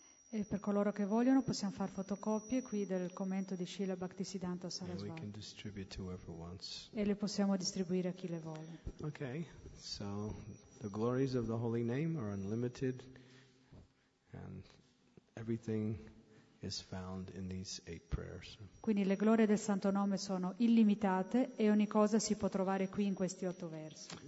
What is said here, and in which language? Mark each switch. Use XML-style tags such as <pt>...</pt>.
<it>E per coloro che vogliono possiamo far fotocopie qui del commento di Srila Bhakti Siddhanta Saraswati.</it> <en>And we can distribute to whoever wants.</en> <it>E le possiamo distribuire a chi le vuole.</it> <en>Okay, so the glories of the holy name are unlimited and everything is found in these eight prayers.</en> <it>Quindi le glorie del Santo Nome sono illimitate e ogni cosa si può trovare qui in questi otto versi.</it>